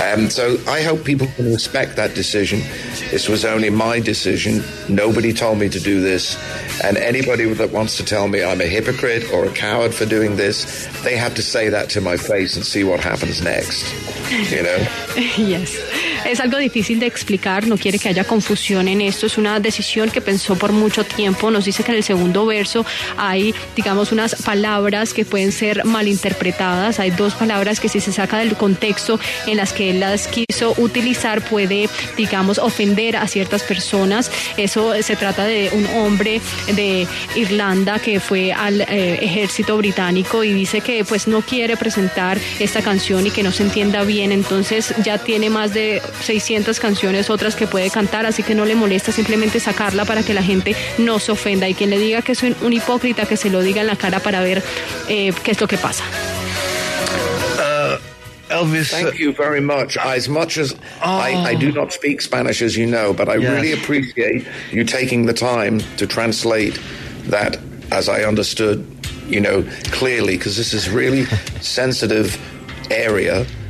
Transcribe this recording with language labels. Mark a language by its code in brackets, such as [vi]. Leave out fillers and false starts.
[en] So I hope people can respect that decision. This was only my decision. Nobody told me to do this. And anybody that wants to tell me I'm a hypocrite or a coward for doing this, they have to say that to my face and see what happens next. You know? Yes. [es] Es algo difícil de explicar, no quiere que haya confusión en esto, es una decisión que pensó por mucho tiempo. Nos dice que en el segundo verso hay, digamos, unas palabras que pueden ser malinterpretadas, hay dos palabras que si se saca del contexto en las que él las quiso utilizar puede, digamos, ofender a ciertas personas. Eso se trata de un hombre de Irlanda que fue al ejército británico y dice que pues no quiere presentar esta canción y que no se entienda bien, entonces ya tiene más de 600 canciones otras que puede cantar, así que no le molesta simplemente sacarla para que la gente no se ofenda, y quien le diga que soy un hipócrita que se lo diga en la cara para ver qué es lo que pasa. [en] Elvis, thank you very much. As much as I do not speak Spanish, as you know, but I really appreciate you taking the time to translate that, as I understood, you know, clearly, because this is really sensitive area.